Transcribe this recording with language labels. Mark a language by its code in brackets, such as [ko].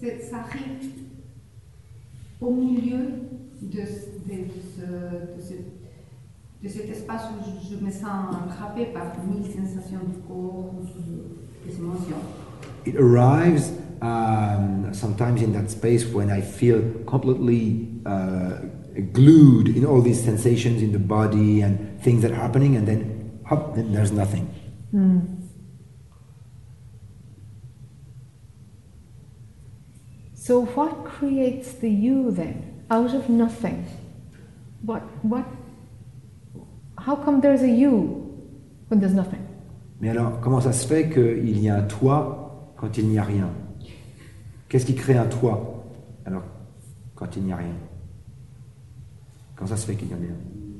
[fr] ça arrive au milieu de cet espace où je me sens attrapée par mille sensations du corps, des émotions. [en] It arrives sometimes in that space when I feel completely glued in all these sensations in the body and things that are happening, and then hop, then there's nothing. So what creates the you then out of nothing? What how come there's a you when there's nothing? [fr] Mais alors comment ça se fait qu'il y a un toi quand il n'y a rien? Qu'est-ce qui crée un toi alors quand il n'y a rien? Comment ça se fait qu'il y en ait un?